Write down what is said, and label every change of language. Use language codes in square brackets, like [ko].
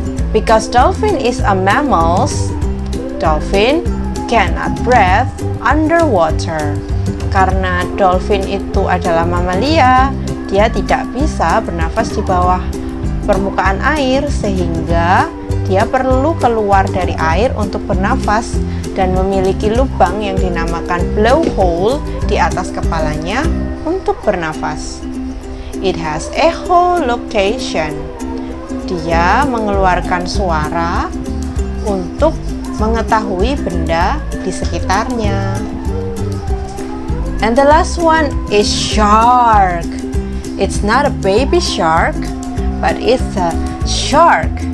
[en] Because dolphin is a mammal, dolphin cannot breathe underwater. [id] Karena dolphin itu adalah mamalia, dia tidak bisa bernafas di bawah permukaan air, sehingga dia perlu keluar dari air untuk bernafas dan memiliki lubang yang dinamakan blowhole di atas kepalanya untuk bernafas. [en] It has echolocation. [id] Dia mengeluarkan suara untuk mengetahui benda di sekitarnya. [en] And the last one is shark. It's not a baby shark, but it's a shark.